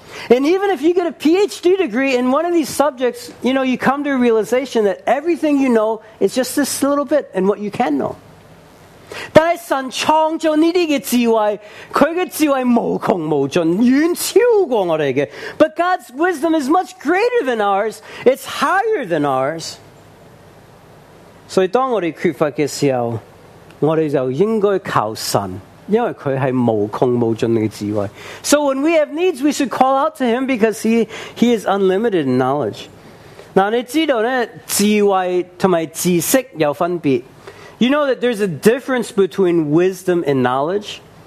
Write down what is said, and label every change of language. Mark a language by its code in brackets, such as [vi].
[en] And even if you get a PhD degree in one of these subjects, you know, you come to a realization that everything you know is just this little bit in what you can know. [zh] 但是神创造这些智慧，祂的智慧无穷无尽，远超过我们的。 [en] But God's wisdom is much greater than ours. It's higher than ours. [zh] 所以当我们缺乏的时候，我们就应该求神。 [en] So when we have needs, we should call out to Him because He is unlimited in knowledge. [zh] 那你知道呢,智慧和知识有分别。 [en] You know that there's a difference between wisdom and knowledge.